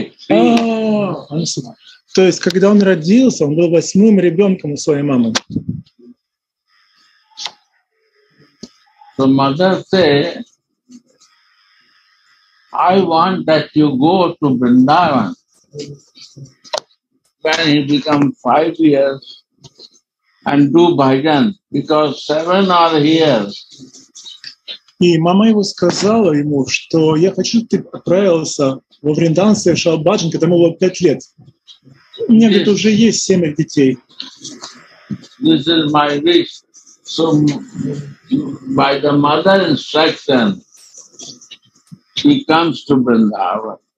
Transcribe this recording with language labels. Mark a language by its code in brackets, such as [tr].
[ru] Oh, то есть, когда он родился, он был восьмым ребенком у своей мамы. [en] So mother said, I want that you go to Vrindavan. When he become 5 years and do bhajan, because 7 are here. [ru] И мама его сказала ему, что я хочу, ты отправился во Вриндаван, совершал бхаджан, когда ему было 5 лет. У меня тут уже есть 7 детей. [en] This is my wish. So, by the mother instruction, he comes to Vrindavan.